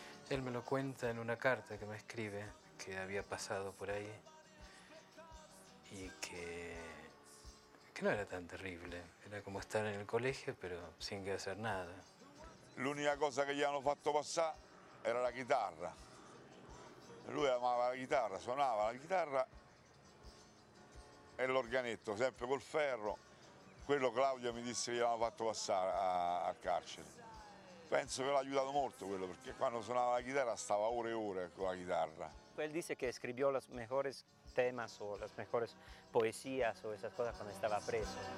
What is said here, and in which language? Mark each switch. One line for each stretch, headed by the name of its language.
Spanish: Él me lo cuenta en una carta que me escribe, que había pasado por ahí y que no era tan terrible. Era como estar en el colegio, pero sin que hacer nada.
Italian: L'unica cosa che gli hanno fatto passare era la chitarra. Lui amava la chitarra, suonava la chitarra e l'organetto, sempre col ferro. Quello Claudio mi disse che gli avevano fatto passare al carcere. Penso che l'ha aiutato molto quello, perché quando suonava la chitarra stava ore e ore con la chitarra.
Spanish: Él dice que escribió los mejores temas o las mejores poesías o esas cosas cuando estaba preso.